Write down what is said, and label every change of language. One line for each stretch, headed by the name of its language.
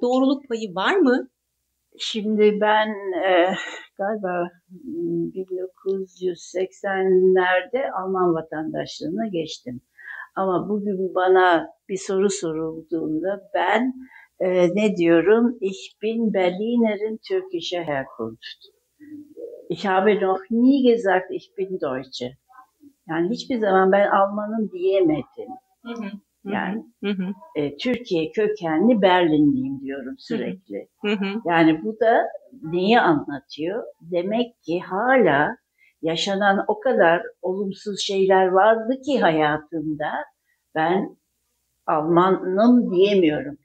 Turkish: Doğruluk payı var mı? Şimdi ben galiba 1980'lerde Alman vatandaşlığına geçtim. Ama bugün bana bir soru sorulduğunda ben ne diyorum?
German: Ich bin Berlinerin türkische Herkunft. Ich habe noch nie gesagt, ich bin Deutsche.
Turkish: Yani hiçbir zaman ben Almanım diyemedim. Yani Türkiye kökenli Berlinliyim diyorum sürekli. Yani bu da neyi anlatıyor? Demek ki hala yaşanan o kadar olumsuz şeyler vardı ki hayatımda ben Almanım diyemiyorum.